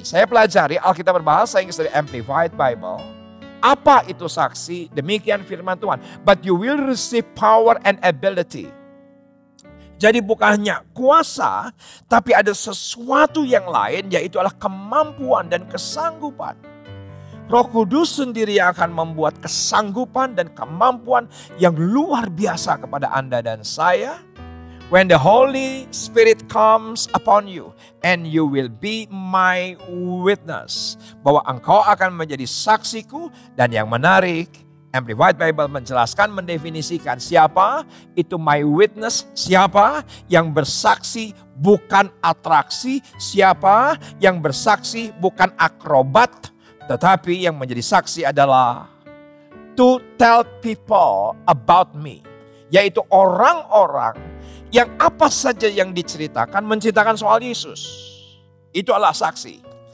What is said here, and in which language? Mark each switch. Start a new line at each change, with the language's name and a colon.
Indonesian: Saya pelajari Alkitab berbahasa Inggris dari Amplified Bible. Apa itu saksi? Demikian firman Tuhan.
English: But you will receive power and ability.
Indonesian: Jadi bukan hanya kuasa, tapi ada sesuatu yang lain, yaitu adalah kemampuan dan kesanggupan. Roh Kudus sendiri yang akan membuat kesanggupan dan kemampuan yang luar biasa kepada Anda dan saya.
English: When the Holy Spirit comes upon you, and you will be my witness.
Indonesian: Bahwa engkau akan menjadi saksiku. Dan yang menarik, Amplified Bible menjelaskan, mendefinisikan siapa itu
English: my witness,
Indonesian: siapa yang bersaksi bukan atraksi, siapa yang bersaksi bukan akrobat, tetapi yang menjadi saksi adalah
English: to tell people about me,
Indonesian: yaitu orang-orang yang apa saja yang diceritakan, menceritakan soal Yesus, itu adalah saksi.